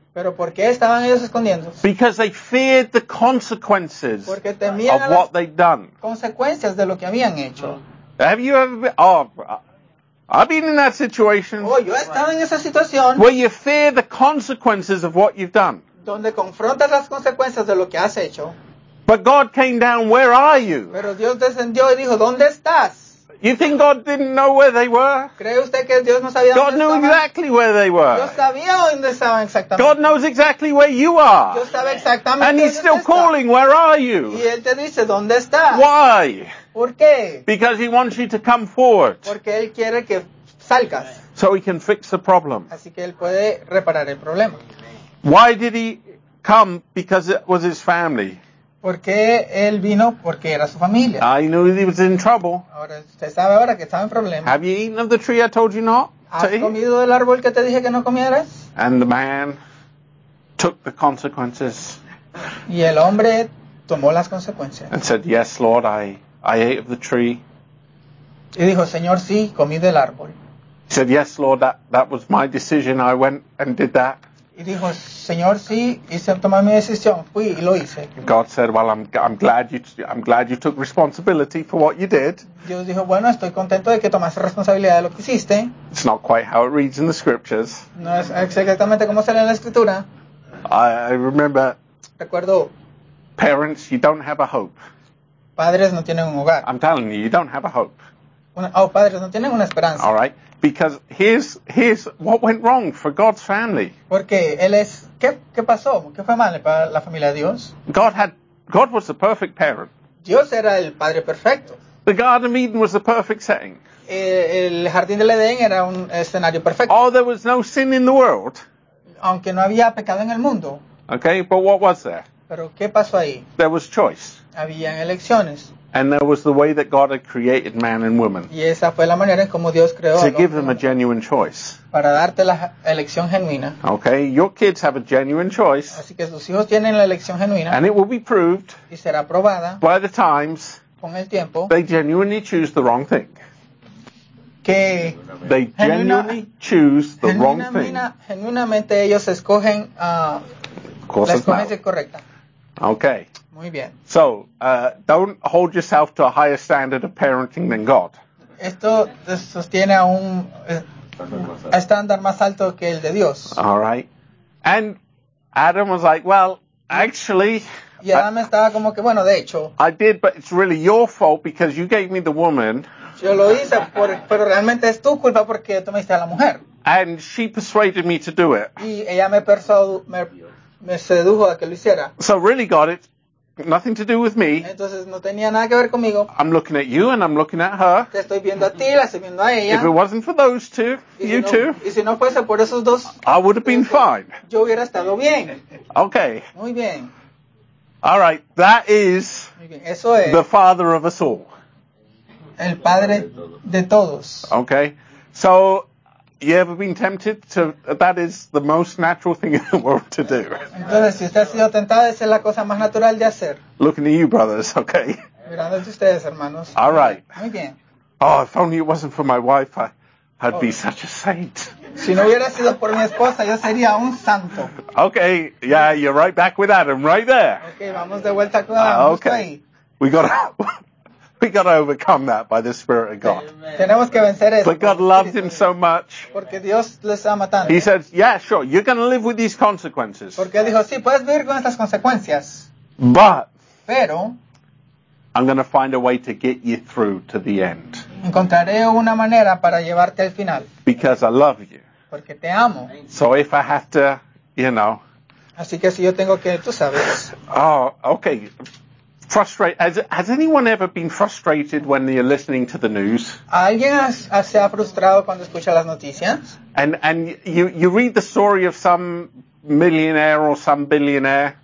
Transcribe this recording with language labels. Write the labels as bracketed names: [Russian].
[Spanish] ¿Pero por qué estaban ellos escondiéndose? [English] Because they feared the consequences of what they'd done. [Spanish] Consecuencias de lo que habían hecho. [English] Have you ever been, I've been in that situation. [Spanish] Oh, yo he estado en esa situación. [English] Where you fear the consequences of what you've done. [Spanish] Donde confrontas las consecuencias de lo que has hecho. [English] But God came down, where are you? [Spanish] Pero Dios descendió y dijo, ¿dónde estás? [English] You think God didn't know where they were? [Spanish] ¿Cree usted que Dios no sabía [English] God [Spanish] dónde [English] knew [Spanish] estaban? [English] Exactly where they were. [Spanish] Dios sabía dónde estaban exactamente. [English] God knows exactly where you are. [Spanish] Dios sabe exactamente [English] and he's still [Spanish] está. [English] Calling, where are you? [Spanish] Y él te dice, ¿dónde estás? [English] Why? [Spanish] ¿Por qué? [English] Because he wants you to come forward. [Spanish] Porque él quiere que salgas. [English] So he can fix the problem. [Spanish] Así que él puede reparar el problema. [English] Why did he come? Because it was his family. [Spanish] Porque él vino porque era su familia. [English] I knew he was in trouble. [Spanish] Ahora usted sabe ahora que estaba en problemas. [English] Have you eaten of the tree I told you not? [Spanish] ¿Has comido del árbol que te dije que no comieras? [English] And the man took the consequences. [Spanish] Y el hombre tomó las consecuencias. [English] And said, "Yes, Lord, I ate of the tree." [Spanish] Y dijo, "Señor, sí, comí del árbol." [English] He said, "Yes, Lord, that was my decision. I went and did that." [Spanish] Y dijo, Señor, sí, hice tomar mi decisión. Fui y lo hice. [English] God said, well, I'm glad you took responsibility for what you did. [Spanish] Dios dijo, bueno, estoy contento de que tomaste responsabilidad de lo que hiciste. [English] It's not quite how it reads in the scriptures. [Spanish] No es exactamente como se lee en la escritura. [English] I remember. [Spanish] Recuerdo. [English] Parents, you don't have a hope. [Spanish] Padres no tienen un hogar. [English] I'm telling you, you don't have a hope. [Spanish] Padres no tienen una esperanza. [English] All right. Because here's what went wrong for God's family. [Spanish] Porque él es qué pasó, qué fue mal para la familia de Dios. [English] God was the perfect parent. [Spanish] Dios era el padre perfecto. [English] The Garden of Eden was the perfect setting. [Spanish] El jardín del Edén era un escenario perfecto. [English] Oh, there was no sin in the world. [Spanish] Aunque no había pecado en el mundo. [English] Okay, but what was there? [Spanish] Pero qué pasó ahí. [English] There was choice. [Spanish] Habían elecciones. [English] And there was the way that God had created man and woman. [Spanish] Y esa fue la manera en como Dios creó [English] to give them a genuine choice. [Spanish] Para darte la elección genuina. [English] Okay, your kids have a genuine choice. [Spanish] Así que sus hijos tienen la elección genuina. [English] And it will be proved. [Spanish] Y será probada. [English] By the times. [Spanish] Con el tiempo. [English] They genuinely choose the wrong thing. [Spanish] Que [English] they genuinely choose the wrong thing. [Spanish] Genuinamente ellos escogen la escogencia correcta. [English] Okay. [Spanish] Muy bien. [English] So, don't hold yourself to a higher standard of parenting than God. [Spanish] Esto sostiene a un estándar más alto que el de Dios. [English] All right. And Adam was like, well, actually. [Spanish] Y Adam estaba como que, bueno, de hecho. [English] I did, but it's really your fault because you gave me the woman. [Spanish] Yo lo hice, pero realmente es tu culpa porque tú me diste a la mujer. [English] And she persuaded me to do it. [Spanish] Y ella me sedujo a que lo hiciera. [English] So really, God, it's nothing to do with me. [Spanish] Entonces, no tenía nada que ver conmigo. [English] I'm looking at you and I'm looking at her. [Spanish] Te estoy viendo a ti, la estoy viendo a ella. [English] If it wasn't for those two, you two, [Spanish] y si no fuese por esos dos, [English] I would have been fine. [Spanish] Yo hubiera estado bien. [English] Okay. [Spanish] Muy bien. [English] All right, that is [Spanish] eso es [English] the father of us all. [Spanish] El padre de todos. [English] Okay. So, you ever been tempted to, that is the most natural thing in the world to do. Entonces, si usted ha sido tentado, esa es la cosa más natural de hacer. Looking at you, brothers, okay. [Spanish] Mirándose ustedes, hermanos. [English] All right. [Spanish] Muy bien. [English] Oh, if only it wasn't for my wife, I'd be such a saint. [Spanish] Si no hubiera sido por mi esposa, yo sería un santo. [English] Okay, yeah, you're right back with Adam, right there. [Spanish] Okay, vamos de vuelta con Adam. [English] Okay. [Spanish] Ahí. [English] We got to overcome that by the Spirit of God. [Spanish] Tenemos que vencer eso. [English] But God loved him so much. [Spanish] Porque Dios les ama tanto. [English] He said, yeah, sure, you're going to live with these consequences. [Spanish] Porque dijo, sí, puedes vivir con estas consecuencias. [English] But, [Spanish] pero, [English] I'm going to find a way to get you through to the end. [Spanish] Encontraré una manera para llevarte al final. [English] Because I love you. [Spanish] Porque te amo. [English] So if I have to, you know. [Spanish] Así que si yo tengo que, tú sabes. [English] Oh, okay. Has anyone ever been frustrated when you're listening to the news? [Spanish] ¿Alguien se ha frustrado cuando escucha las noticias? [English] And you read the story of some millionaire or some billionaire.